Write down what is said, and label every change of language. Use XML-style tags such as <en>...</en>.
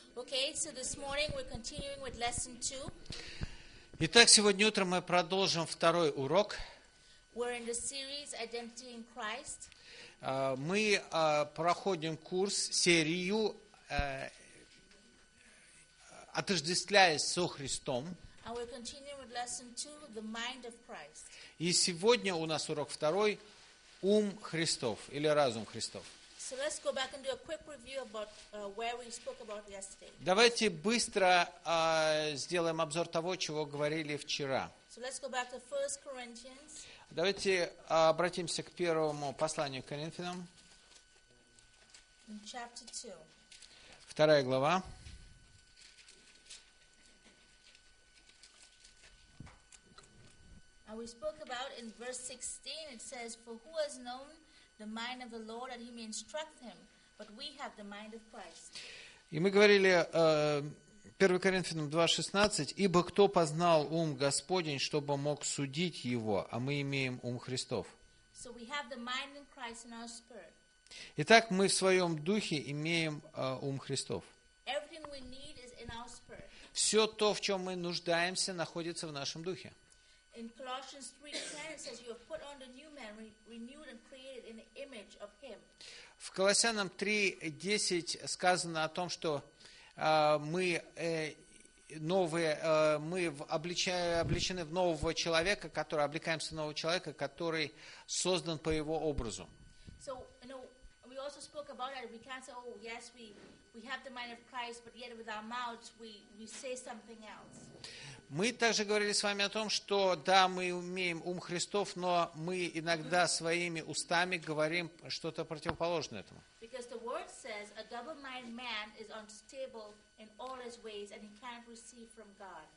<en>Okay, so this morning we're continuing with lesson two.</en> <ru>Итак, сегодня утром мы продолжим второй урок.</ru> <en>We're in the series Identity in Christ.</en> <ru>Мы проходим курс, серию, отождествляясь со Христом.</ru> <en>And we're continuing with lesson two, the mind of Christ.</en> <ru>И сегодня у нас урок второй, ум Христов или разум Христов.</ru> <en>So let's go back and do a quick review about where we spoke about yesterday.</en> <ru>Давайте быстро сделаем обзор того, чего говорили вчера.</ru> <en>So let's go back to 1 Corinthians.</en> <ru>Давайте обратимся к первому посланию к Коринфянам.</ru> <en>In chapter 2.</en> <ru>Вторая глава.</ru> <en>And we spoke about in verse 16, it says, "For who has known the mind of the Lord, and he may instruct him, but we have the mind of Christ."</en> <ru>И мы говорили 1 Коринфянам 2:16, ибо кто познал ум Господень, чтобы мог судить его, а мы имеем ум Христов.</ru> <en>So we have the mind of Christ in our spirit.</en> <ru>Итак, мы в своем духе имеем ум Христов.</ru> <en>Everything we need is in our spirit.</en> <ru>Все то, в чем мы нуждаемся, находится в нашем духе.</ru> <en>In Colossians 3:10 it says you have put on the new man renewed and created in the image of him.</en> <ru>В Колоссянам 3:10 сказано о том, что мы новые, мы облечены в нового человека, который облекаемся в нового человека, который создан по его образу.</ru> <en>So, you know, we also spoke about that. We can't say, "Oh, yes, we have the mind of Christ, but yet with our mouths we say something else."</en> <ru>Мы также говорили с вами о том, что да, мы имеем ум Христов, но мы иногда своими устами говорим что-то противоположное этому.</ru> <en>Because the word says a double-minded man is unstable in all his ways and he can't receive from God.</en>